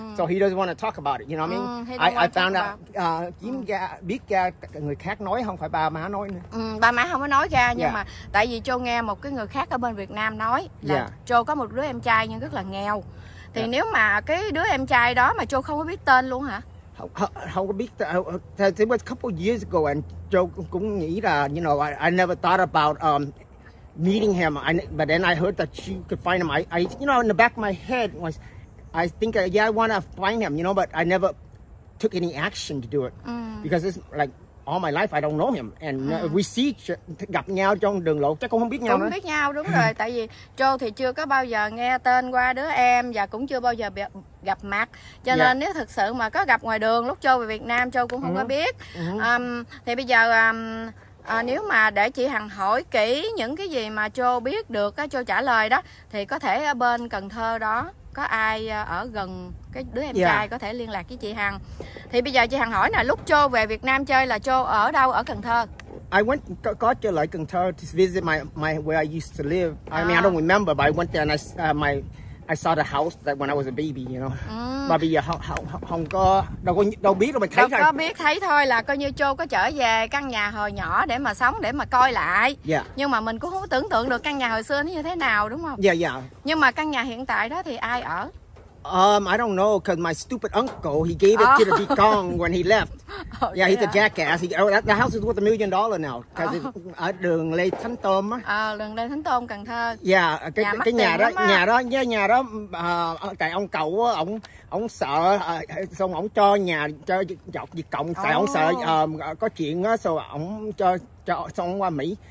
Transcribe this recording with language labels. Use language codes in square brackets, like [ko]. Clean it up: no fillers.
[en] So he doesn't want to talk about it, you know what I mean? I found out [vi] người khác nói không phải ba má nói nữa. Ba má không có nói ra nhưng mà tại vì Trô nghe một cái người khác ở bên Việt Nam nói là Trô có một đứa em trai nhưng rất là nghèo. Thì nếu mà cái đứa em trai đó mà Trô không có biết tên luôn hả? [en] How big? It was a couple years ago and [vi] Trô cũng nghĩ là, [en] you know, I never thought about meeting him, but then I heard that she could find him. I, you know, in the back of my head was, I think, I want to find him, you know, but I never took any action to do it. Because it's like all my life I don't know him. And we see [vi] gặp nhau trong đường lộ, chắc cũng không biết nhau. Không biết nhau, đúng rồi. Tại vì Joe thì chưa có bao giờ nghe tên qua đứa em và cũng chưa bao giờ gặp mặt. Cho nên nếu thực sự mà có gặp ngoài đường lúc Joe về Việt Nam, Joe cũng không có biết. Thì bây giờ... nếu mà để chị Hằng hỏi kỹ những cái gì mà Joe biết được á, Joe trả lời đó, thì có thể ở bên Cần Thơ đó có ai ở gần cái đứa em trai có thể liên lạc với chị Hằng. Thì bây giờ chị Hằng hỏi nè, lúc Joe về Việt Nam chơi là Joe ở đâu ở Cần Thơ? [en] I went [vi] có trở lại [en] Cần Thơ to visit my where I used to live. I mean I don't remember, but I went there and I saw the house that when I was a baby, you know. [vi] Mà bây giờ không có đâu biết đâu mà thấy thôi. Có biết thấy thôi là coi như Joe có trở về căn nhà hồi nhỏ để mà sống, để mà coi lại. Nhưng mà mình cũng không tưởng tượng được căn nhà hồi xưa nó như thế nào, đúng không? Nhưng mà căn nhà hiện tại đó thì ai ở? [en] I don't know, cause my stupid uncle, he gave it to the Viet Cong when he left. He's a jackass. The house is worth $1 million now. Cause it's [vi] ở đường [en] Lê Thánh Tôn. [vi] Đường Lê Thánh Tôn, Cần Thơ. Nhà đó, tại ông cậu, ông sợ, xong ông cho nhà cho dọc Viet Cong, tại ông sợ có chuyện, xong ông cho xong ông qua Mỹ.